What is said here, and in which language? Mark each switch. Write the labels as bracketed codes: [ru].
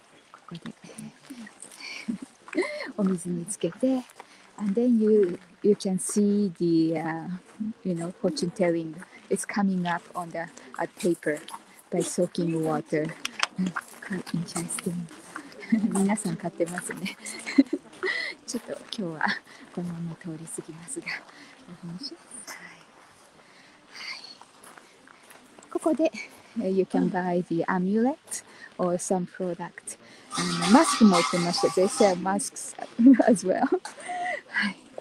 [ja] ここで お水につけて。 [en] And then you can see the, fortune telling is coming up on the paper by soaking water. Quite interesting. [ja] 皆さん買ってますね。ちょっと今日はこのまま通り過ぎますが。はい。はい。 [en] ここで you can buy the amulet or some product. And the mask [ja] も売ってました。 [en] They sell masks as well. はい。